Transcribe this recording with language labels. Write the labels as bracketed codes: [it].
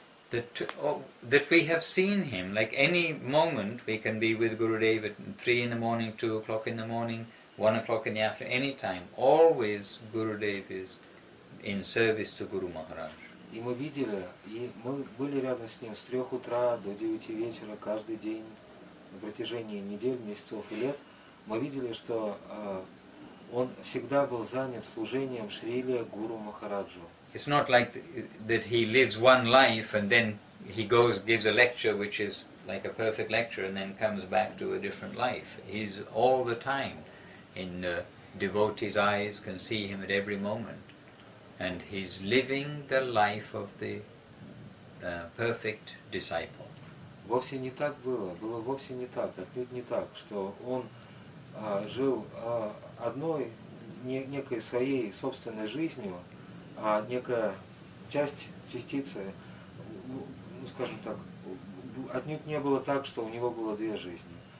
[en] That we have seen him, like any moment we can be with Gurudev at 3 in the morning, 2 o'clock in the morning, 1 o'clock in the afternoon, any time, always Gurudev is in service to Guru Maharaj. [ru] И мы видели, и мы были рядом с ним с 3 утра до 9 вечера каждый день на протяжении недель, месяцев и лет. Мы видели, что он всегда был занят служением Шриле Гуру Махараджу. [en] It's not like that he lives one life and then he goes gives a lecture which is like a perfect lecture and then comes back to a different life. He's all the time in the devotee's eyes, can see him at every moment, and he's living the life of the perfect disciple. [ru] Вовсе не так было. Было вовсе не так. Отнюдь не так, что он жил одной некой своей собственной жизнью, а некая частица, ну скажем так, отнюдь не было так, что у него было две жизни.